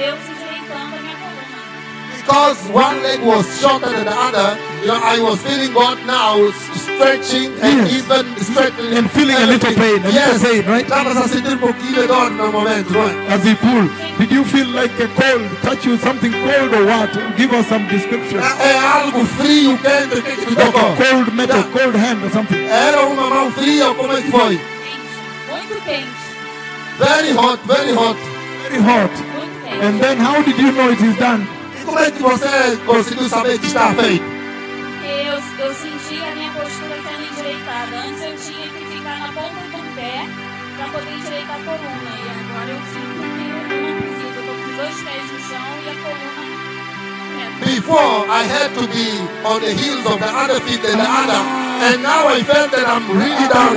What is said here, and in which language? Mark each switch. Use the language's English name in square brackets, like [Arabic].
[English] Because one leg was shorter than the other, you know, I was feeling God now stretching and yes. even straightening. And feeling everything. A little pain, right? [Portuguese] Estava a sentir um pouquinho de dor no momento, [English] right? As he pulled, did you feel like a cold, touch you something cold or what? Give us some description. [Portuguese] É algo frio, quente, o que que tocou? [English] Like a cold metal, yeah. Cold hand or something. [Portuguese] Era uma mão fria, como é que foi? Muito quente. [English] Very hot, very hot. Very hot. And then how did you know it is done? [Portuguese] Como é que você conseguiu saber que está feito? Eu senti a minha postura sendo endireitada. Antes eu tinha que ficar na ponta do pé para poder endireitar a coluna. E agora eu sinto que eu não preciso. Eu estou com dois pés no chão e a coluna. [English] Before I had to be on the heels of the other feet and the other. And now I felt that I'm really down.